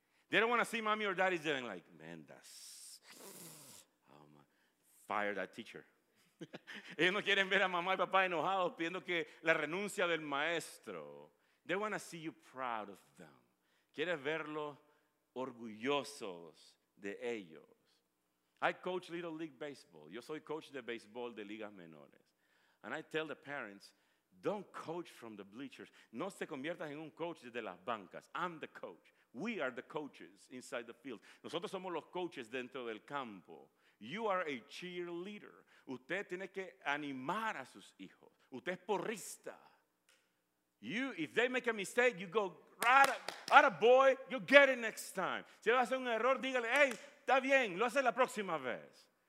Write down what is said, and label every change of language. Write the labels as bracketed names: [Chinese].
[English] They don't want to see mommy or daddy doing like, man, that's... Oh my. Fire that teacher. [Spanish] Ellos no quieren ver a mamá y papá enojados pidiendo que la renuncia del maestro. [English] They want to see you proud of them. [Spanish] Quieren verlos orgullosos de ellos. [English] I coach Little League Baseball. [Spanish] Yo soy coach de béisbol de ligas menores. [English] And I tell the parents, don't coach from the bleachers. [Spanish] No se conviertas en un coach desde las bancas. [English] I'm the coach. We are the coaches inside the field. [Spanish] Nosotros somos los coaches dentro del campo. [English] You are a cheerleader. [Spanish] Usted tiene que animar a sus hijos. Usted es porrista. [English] You, if they make a mistake, you go, right, boy, you'll get it next time. [Spanish] Si va a hacer un error, dígale, hey, está bien, lo hace la próxima vez.